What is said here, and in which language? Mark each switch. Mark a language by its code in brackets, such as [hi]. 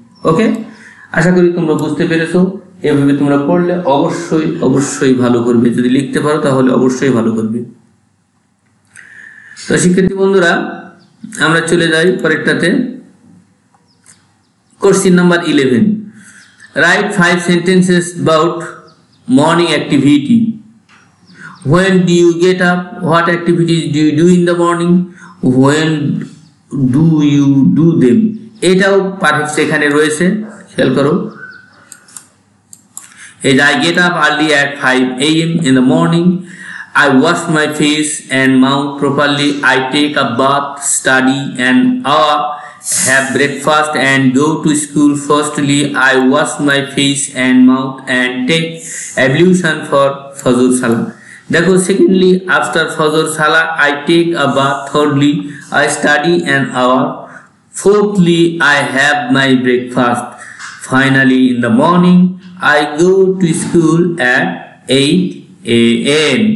[bn] ওকে, আশা করি তোমরা বুঝতে পেরেছো। এভাবে তোমরা পড়লে অবশ্যই অবশ্যই ভালো করবে, যদি লিখতে পারো তাহলে অবশ্যই ভালো করবে। তো শিক্ষার্থী বন্ধুরা, আমরা চলে যাই পরেরটাতে। [en] Question number 11, write 5 sentences about morning activity. When do you get up? What activities do you do in the morning? When do you do them? [bn] এটাও পারফেক্ট এখানে রয়েছে, খেয়াল করো। [en] As I get up early at 5 a.m. in the morning, I wash my face and mouth properly. I take a bath, study an hour, have breakfast and go to school. Firstly, I wash my face and mouth and take ablution for Fajr Salah. [bn] দেখো, [en] Secondly after ফজর সালা I take a bath, thirdly I study an hour, fourthly I have my breakfast, finally in the morning I go to school at 8 a.m.